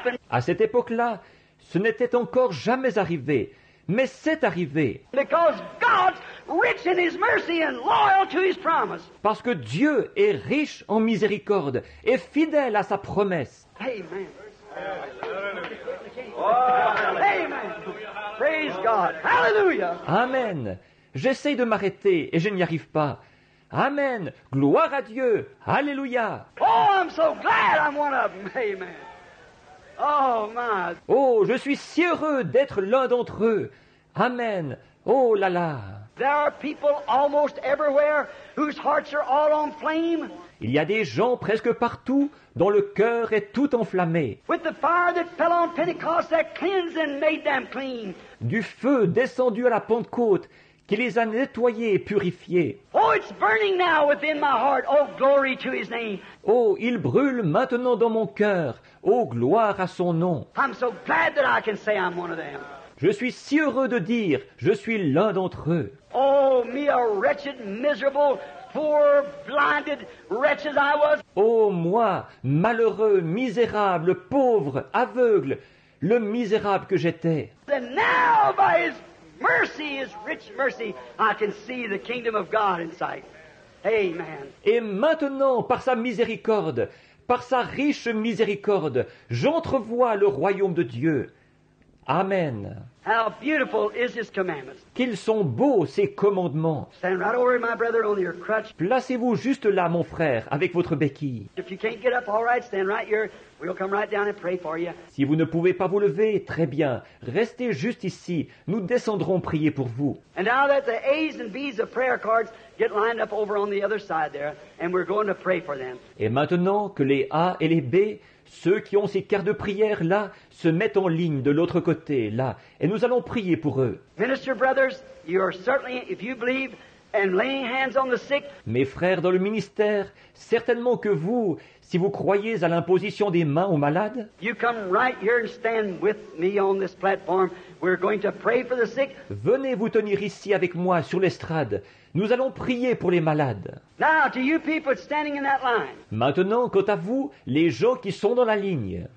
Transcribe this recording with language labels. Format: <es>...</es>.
<fr>À cette époque-là, ce n'était encore jamais arrivé, mais c'est arrivé.</fr> <en>Because God's rich in his mercy and loyal to his promise.</en> <fr>Parce que Dieu est riche en miséricorde et fidèle à sa promesse.</fr> <en>Amen. Amen. Praise God. Hallelujah. Amen.</en> <fr>J'essaye de m'arrêter et je n'y arrive pas. Amen. Gloire à Dieu. Alléluia.</fr> <en>Oh, I'm so glad I'm one of them. Amen. Oh, my.</en> <fr>Oh, je suis si heureux d'être l'un d'entre eux. Amen. Oh là là.</fr> <en>There are people almost everywhere whose hearts are all on flame.</en> <fr>Il y a des gens presque partout dont le cœur est tout enflammé.</fr> <en>With the fire that fell on Pentecost that cleansed and made them clean.</en> <fr>Du feu descendu à la Pentecôte qui les a nettoyés et purifiés.</fr> <en>Oh, it's burning now within my heart. Oh, glory to his name.</en> <fr>Oh, il brûle maintenant dans mon cœur. Oh, gloire à son nom.</fr> <en>I'm so glad that I can say I'm one of them.</en> <fr>Je suis si heureux de dire, je suis l'un d'entre eux.</fr> <en>Oh, me a wretched, miserable, poor, blinded wretch as I was.</en> <fr>Oh, moi, malheureux, misérable, pauvre, aveugle, le misérable que j'étais.</fr> <en>And now, by his mercy, his rich mercy, I can see the kingdom of God in sight. Amen.</en> <fr>Et maintenant, par sa miséricorde, par sa riche miséricorde, j'entrevois le royaume de Dieu. Amen.</fr> <en>How beautiful is his commandments.</en> <fr>Qu'ils sont beaux, ces commandements.</fr> <en>Stand right over my brother on your crutch.</en> <fr>Placez-vous juste là, mon frère, avec votre béquille.</fr> <en>If you can't get up, all right, stand right here. We'll come right down and pray for you.</en> <fr>Si vous ne pouvez pas vous lever, très bien. Restez juste ici. Nous descendrons prier pour vous.</fr> <en>And now that the A's and B's of prayer cards get lined up over on the other side there, and we're going to pray for them.</en> <fr>Et maintenant que les A et les B, ceux qui ont ces cartes de prière là, se mettent en ligne de l'autre côté là, et nous allons prier pour eux.</fr> <en>Minister brothers, you are certainly, if you believe, and laying hands on the sick.</en> <fr>Mes frères dans le ministère, certainement que vous, si vous croyez à l'imposition des mains aux malades.</fr> <en>You come right here and stand with me on this platform. We're going to pray for the sick.</en> <fr>Venez vous tenir ici avec moi sur l'estrade. Nous allons prier pour les malades.</fr> <en>Now, to you people standing in that line.</en> <fr>Maintenant, quant à vous, les gens qui sont dans la ligne.</fr>